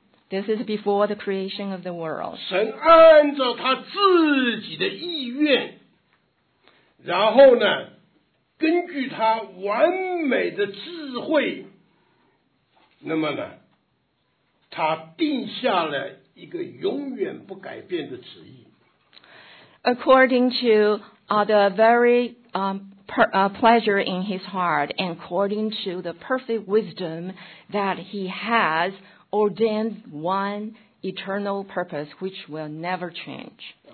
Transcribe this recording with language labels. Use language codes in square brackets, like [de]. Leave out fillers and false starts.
[en] this is before the creation of the world. [zh] 神按照他自己的意愿, 然后呢, 根据他完美的智慧, 那么呢, 他定下了一个永远不改变的旨意。 [en] According to the very pleasure in his heart, and according to the perfect wisdom that he has, ordained one eternal purpose which will never change.